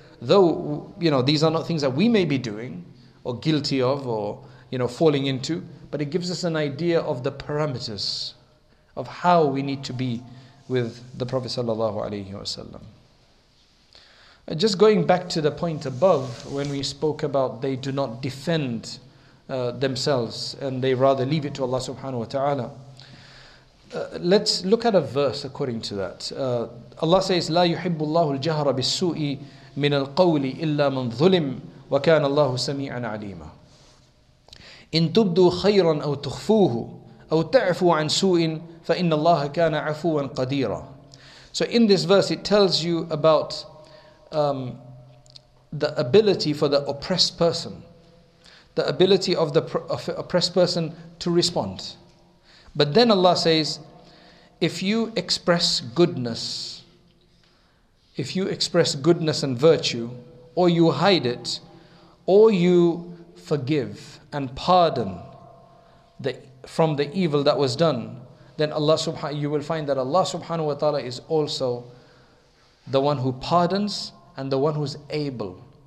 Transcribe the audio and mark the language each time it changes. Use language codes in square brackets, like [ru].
[en] Though, you know, these are not things that we may be doing or guilty of or, you know, falling into, but it gives us an idea of the parameters of how we need to be with the Prophet sallallahu alaihi wasallam. Just going back to the point above, when we spoke about they do not defend themselves and they rather leave it to Allah subhanahu wa ta'ala. Let's look at a verse according to that. Allah says, [ar] لا يحب الله الجهر بالسوء من القول إلا من ظلم وكان الله سميعا عليما إن تبدو خيرا أو تخفوه أو تعفو عن سوء فإن الله كان عفوا قديرا. [en] So in this verse it tells you about the ability for the oppressed person, the ability of the oppressed person to respond. But then Allah says, if you express goodness, if you express goodness and virtue, or you hide it, or you forgive and pardon from the evil that was done, then you will find that Allah subhanahu wa ta'ala is also the one who pardons and the one who is able.